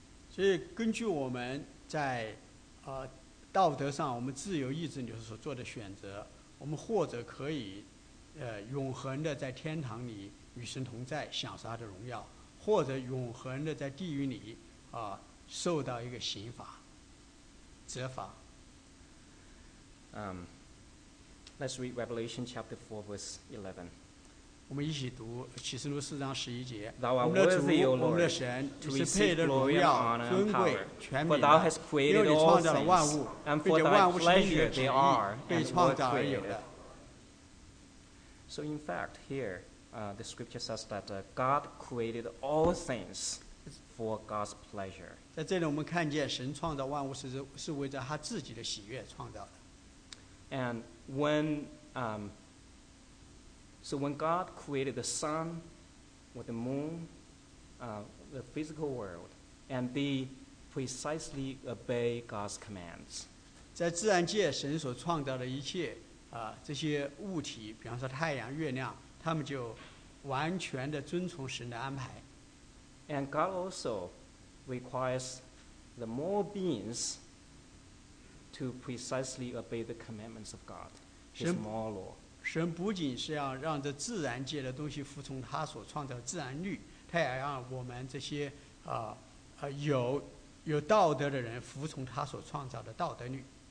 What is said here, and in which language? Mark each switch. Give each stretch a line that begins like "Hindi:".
Chinese: 所以根据我们在道德上我们自由意志里所做的选择，我们或者可以永恒的在天堂里与神同在，享受他的荣耀，或者永恒的在地狱里受到一个刑罚、责罚。
English: Let's read Revelation chapter 4, verse 11.
Chinese: 我们一起读启示录四章十一节。
English: Thou art worthy, O Lord, to receive glory and honor and power. For thou hast created all things, and for thy pleasure they are and were created. So in fact, here, the scripture says that God created all things for God's pleasure.
Chinese: 在这里我们看见神创造万物是为着他自己的喜悦创造的。
English: And when when God created the sun or the moon, the physical world, and they precisely obey God's commands.
Chinese: 在自然界神所创造的一切这些物体，比方说太阳、月亮，他们就完全的遵从神的安排。
English: And God also requires the more beings to precisely obey the commandments of God, His moral law.
Chinese: 神不仅是要让这自然界的东西服从他所创造的自然律，他也让我们这些有道德的人服从他所创造的道德律。